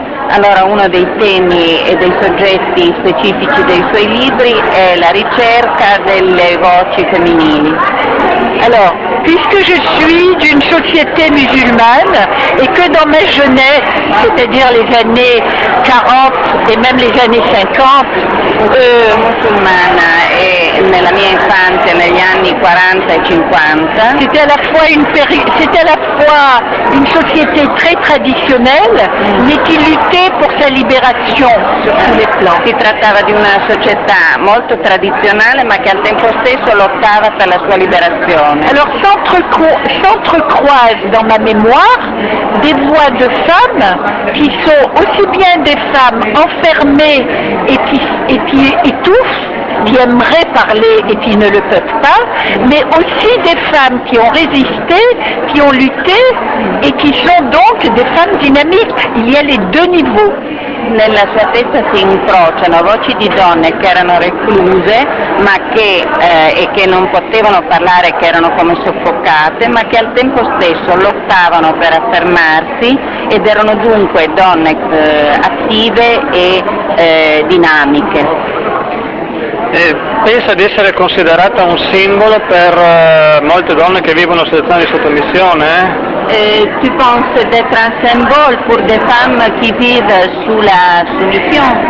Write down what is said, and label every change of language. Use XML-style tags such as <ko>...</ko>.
<it>Allora, uno dei temi e dei soggetti specifici dei suoi libri è la ricerca delle voci femminili.</it> <fr>Alors, puisque je suis d'une société musulmane et que dans ma jeunesse, c'est-à-dire les années 40 et même les années 50, musulmane et</fr> <it>nella mia infanzia, negli anni 40 e 50,</it> <fr>c'était à la fois une société très traditionnelle, mais qui luttait pour sa libération sur tous les plans.</fr> <it>Si trattava di una società molto tradizionale, ma che al tempo stesso lottava per la sua liberazione.</it> <fr>Alors s'entrecroisent dans ma mémoire des voix de femmes qui sont aussi bien des femmes enfermées et qui étouffent, qui aimeraient parler et qui ne le peuvent pas, mais aussi des femmes qui ont résisté, qui ont lutté et qui sont donc des femmes dynamiques. Il y a les deux niveaux.</fr> <it>Nella sua testa si incrociano voci di donne che erano recluse ma che non potevano parlare, che erano come soffocate, ma che al tempo stesso lottavano per affermarsi ed erano dunque donne attive e dinamiche. Pensa di essere considerata un simbolo per molte donne che vivono situazioni di sottomissione?</it> <fr>Tu penses d'être un symbole pour des femmes qui vivent sous la soumission?</fr>